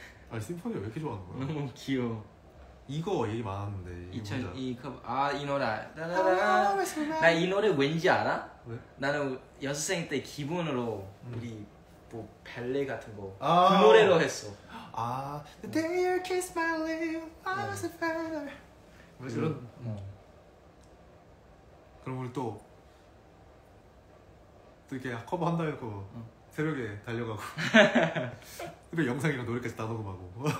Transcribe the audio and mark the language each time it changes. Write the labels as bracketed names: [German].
[Korean] 아니 심포니 왜 이렇게 좋아하는 거야? 너무 귀여워. 이거 얘기 많았는데 2002 커버. 아 이 노래 나 이 노래 왠지 알아? 왜? 나는 연습생 때 기분으로 우리 뭐 발레 같은 거 그 노래로 했어. [English] 아 The day you kissed my lips I was a feather. [Korean] 왜 그런? 그럼 우리 또 이렇게 커버 한다 이거 새벽에 달려가고 그리고 영상이랑 노래까지 다 녹음하고.